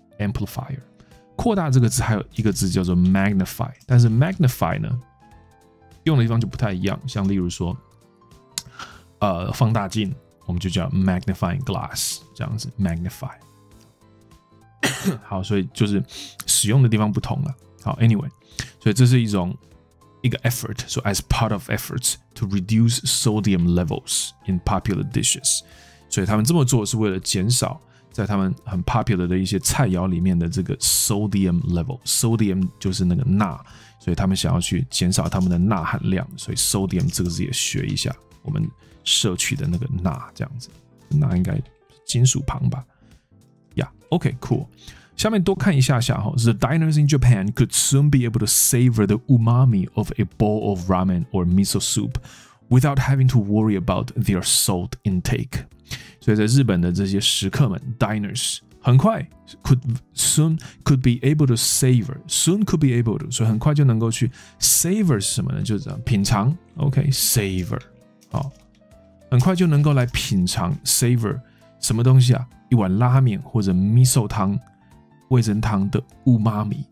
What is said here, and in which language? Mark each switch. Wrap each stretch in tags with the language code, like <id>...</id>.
<zh>amplifier 扩大这个字还有一个字叫做 magnify， 但是 magnify 呢用的地方就不太一样，像例如说，放大镜，我们就叫 magnifying glass 这样子 magnify。好，所以就是使用的地方不同了。好 ，anyway， 所以这是一种。一个 effort，</zh> <en>so as part of efforts to reduce sodium levels in popular dishes，</en> <zh>所以他们这么做是为了减少在他们很 popular 的一些菜肴里面的这个 sodium level。 sodium 就是那个钠，所以他们想要去减少他们的钠含量，所以 sodium 这个字也学一下，我们摄取的那个钠这样子，钠应该金属旁吧？Yeah， OK， cool。下面多看一下下</zh> <en>The diners in Japan could soon be able to savor the umami of a bowl of ramen or miso soup without having to worry about their salt intake.</en> <zh>所以在日本的这些食客们 diners 很快</zh> <en>could be able to</en> <zh>savor， soon could be able to， 所以很快就能够去 savor 是什么呢，就是品尝 OK savor， 好，很快就能够来品尝 savor 什么东西啊，一碗拉面或者 miso 汤，味噌汤的 umami。</zh>